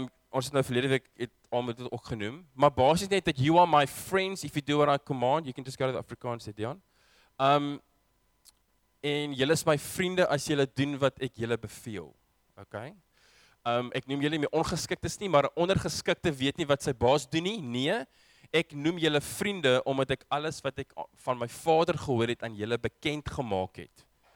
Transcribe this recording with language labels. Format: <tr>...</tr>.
<af>Ons het nou verlede week het al met dit ook genoem, maar basies net dat</af> <en>you are my friends if you do what I command, you can just go to the</en> <af>Afrikaans sê Dion. En julle is my vriende as julle doen wat ek julle beveel. Okay? Ek noem julle nie ongeskiktes nie, maar 'n ondergeskikte weet nie wat sy baas doen nie. Nee, ek noem julle vriende omdat ek alles wat ek van my Vader gehoor het aan julle bekend gemaak het.</af>